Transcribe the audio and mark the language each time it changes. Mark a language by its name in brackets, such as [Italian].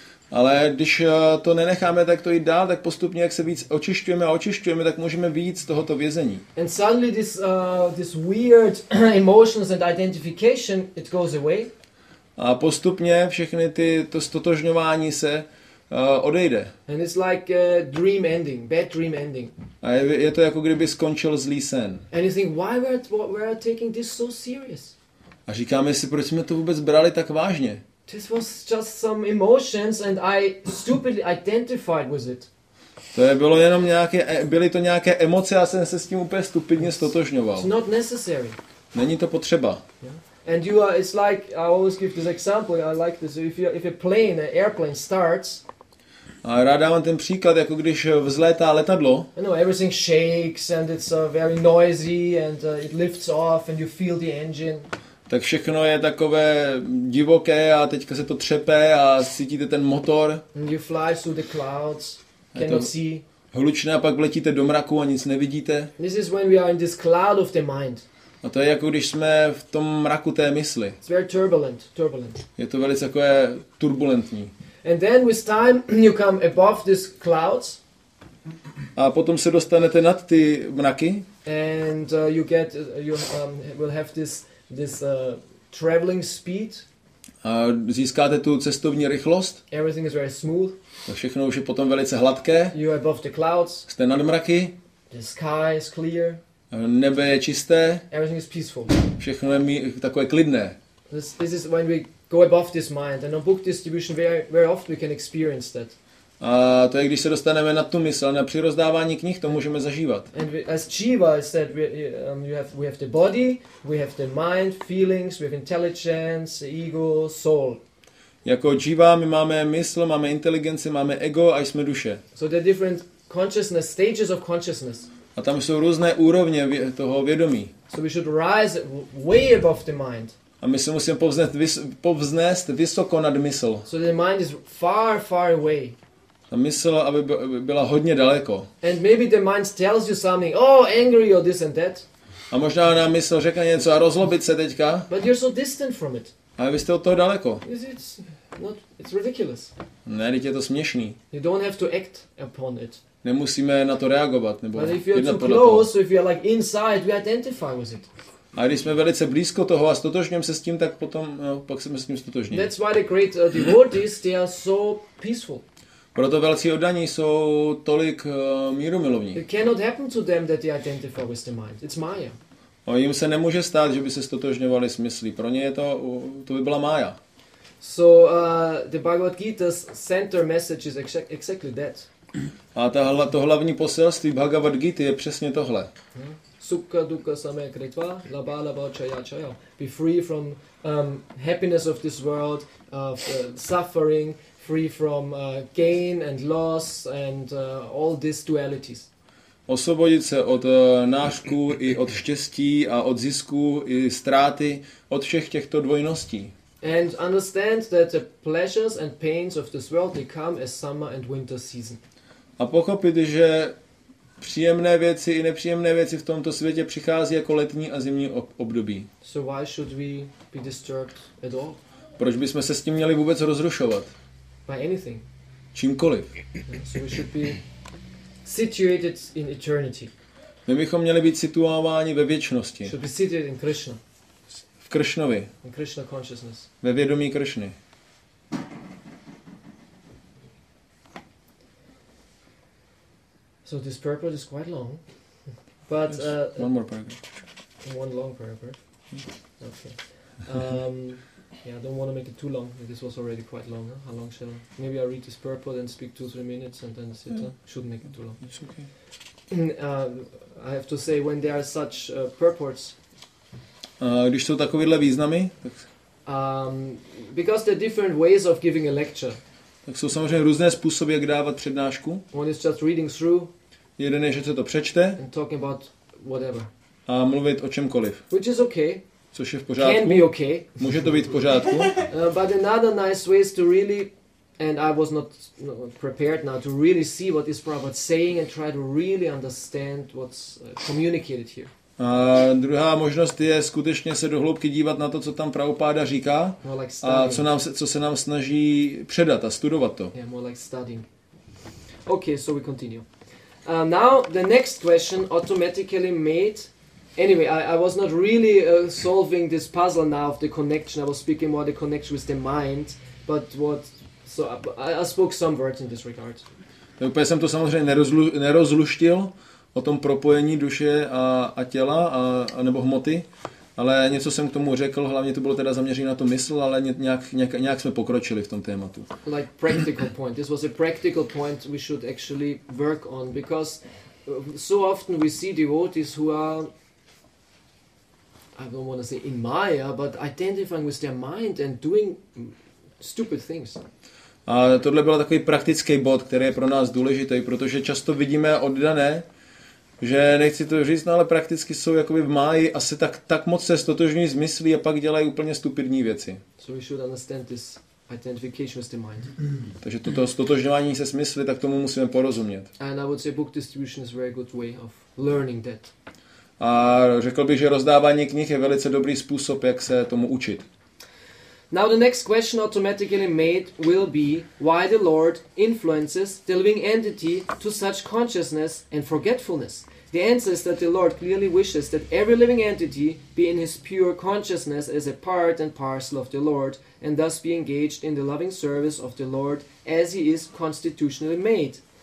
[Czech] Ale když to nenecháme, tak to jít dál, tak postupně, jak se víc očišťujeme a očišťujeme, tak můžeme vyjít z tohoto vězení. [English] And suddenly this weird emotions and identification, it goes away. [Czech] A postupně všechny to ztotožňování se odejde. [English] And it's like a dream ending, bad dream ending. [Czech] A je to jako kdyby skončil zlý sen. [English] And you think, why were we taking this so serious? [Czech] A říkáme si, proč jsme to vůbec brali tak vážně? [English] This was just some emotions and I stupidly identified with it. [Czech] To bylo jenom nějaké, byly to nějaké emoce a jsem se s tím úplně stupidně ztotožňoval. [English] It's not necessary. [Czech] Není to potřeba. [English] And you are, it's like I always give this example. I like this. If a plane, an airplane starts. [Czech] A rád dávám ten příklad, jako když vzlétá letadlo. [English] You know, everything shakes and it's very noisy and it lifts off and you feel the engine. [Czech] Tak všechno je takové divoké a teďka se to třepe a cítíte ten motor. [English] And you fly through the clouds, cannot see. [Czech] Hlučné a pak vletíte do mraku a nic nevidíte. [English] This is when we are in this cloud of the mind. [Czech] A to je jako když jsme v tom mraku té mysli. [English] It's very turbulent. [Czech] Je to velice takové turbulentní. [English] And then with time you come above these clouds. [Czech] A potom se dostanete nad ty mraky. [English] And you will have this traveling speed. [Czech] A získáte tu cestovní rychlost. [English] Everything is very smooth. [Czech] A všechno už je potom velice hladké. [English] You are above the clouds. [Czech] Jste nad mraky. [English] The sky is clear. [Czech] Nebe je čisté. [English] Everything is peaceful. [Czech] Všechno je takové klidné. [English] This is when we go above this mind and on book distribution very often we can experience that. [Czech] A to je, když se dostaneme na tu mysl, na přirozdávání knih, to můžeme zažívat. [English] And we, as Jiva said, we have the body, we have the mind, feelings, we have intelligence, ego, soul. [Czech] Jako Jiva, my máme mysl, máme inteligenci, máme ego a jsme duše. [English] So there are different consciousness stages of consciousness. [Czech] A tam jsou různé úrovně toho vědomí. [English] So we should rise way above the mind. [Czech] A my se musíme povznést vysoko nad mysl. [English] So the mind is far, far away. [Czech] A mysl, aby byla hodně daleko. [English] And maybe the mind tells you something, oh, angry or this and that. [Czech] A možná nám mysl řekne něco a rozlobit se teďka. [English] But you're so distant from it. [Czech] A vy jste od toho daleko. [English] It's ridiculous. [Czech] Ne, teď je to směšný. [English] You don't have to act upon it. [Czech] Nemusíme na to reagovat nebo. [English] But if you're too close, so if you're like inside, we identify with it. [Czech] A když jsme velice blízko toho a stotožňujeme se s tím, tak potom, no, pak jsme s tím stotožní. [English] That's why the great devotees, they are so peaceful. [Czech] Proto velcí oddaní jsou tolik mírumilovní. [English] It cannot happen to them that they identify with the mind. It's Maya. [Czech] A jim se nemůže stát, že by se stotožňovali s myslí. Pro ně je to by byla Maya. [English] So the Bhagavad Gita's center message is exactly that. [Czech] A to hlavní poselství Bhagavad Gita je přesně tohle. [Sanskrit] Sukha dukha samaya kritva laba laba chaya chaya. [English] Be free from happiness of this world, of suffering, free from gain and loss and all these dualities. [Czech] Osvobodit se od nášku i od štěstí a od zisku i ztráty, od všech těchto dvojností. [English] And understand that the pleasures and pains of this world they come as summer and winter season. [Czech] A pochopit, že příjemné věci i nepříjemné věci v tomto světě přichází jako letní a zimní období. [English] So why should we be disturbed at all? [Czech] Proč bychom se s tím měli vůbec rozrušovat? [English] By anything. [Czech] Čímkoliv. [English] So we should be situated in eternity. [Czech] My bychom měli být situováni ve věčnosti. [English] Should be situated in Krishna. [Czech] V Krishnovi. [English] In Krishna consciousness. [Czech] Ve vědomí Krishny. [English] So this paragraph is quite long, but yes, one more paragraph. One long paragraph. Okay. Yeah, I don't want to make it too long. This was already quite long. Huh? How long shall I? Maybe I read this paragraph and speak 2-3 minutes and then sit. Yeah. Shouldn't make it too long. It's okay. I have to say when there are such purports. [Czech] Když jsou takovéhle významy. Tak... [English] Because there are different ways of giving a lecture. [Czech] Tak jsou samozřejmě různé způsoby, jak dávat přednášku. [English] One is just reading through. [Czech] Jeden je, že se to přečte. [English] And talking about whatever. [Czech] A mluvit o čemkoliv. [English] Which is okay. [Czech] Což je v pořádku. [English] Can be okay. [Czech] Může to být v pořádku. [English] But another nice way is to really, and I was not prepared now, to really see what this Prabhupada is saying and try to really understand what's communicated here. [Czech] A druhá možnost je skutečně se do hloubky dívat na to, co tam Prabhupáda říká a co se nám snaží předat a studovat to. [English] Yeah, more like studying. Okay, so we continue. Now the next question automatically made. Anyway, I was not really solving this puzzle now of the connection. I was speaking more the connection with the mind, but what? So I spoke some words in this regard. [Czech] Tak úplně jsem to samozřejmě nerozluštil. O tom propojení duše a těla a nebo hmoty. Ale něco jsem k tomu řekl, hlavně to bylo teda zaměřené na tu mysl, ale nějak jsme pokročili v tom tématu. [English] Like practical point. This was a practical point we should actually work on because so often we see devotees who are I don't want to say in Maya, but identifying with their mind and doing stupid things. [Czech] A tohle byl takový praktický bod, který je pro nás důležitý, protože často vidíme oddané, že nechci to říct, no, ale prakticky jsou jakoby v máji asi tak moc se stotožní z myslí a pak dělají úplně stupidní věci. [English] So we should understand this identification with the mind. [Czech] Takže toto stotožňování se smysly, tak tomu musíme porozumět. [English] And I would say book distribution is a very good way of learning that. [Czech] A řekl bych, že rozdávání knih je velice dobrý způsob, jak se tomu učit. [English] Now the next question automatically made will be why the Lord influences the living entity to such consciousness and forgetfulness. The answer is that the Lord clearly wishes that every living entity be in his pure consciousness as a part and parcel of the Lord and thus be engaged in the loving service of the Lord as he is constitutionally made.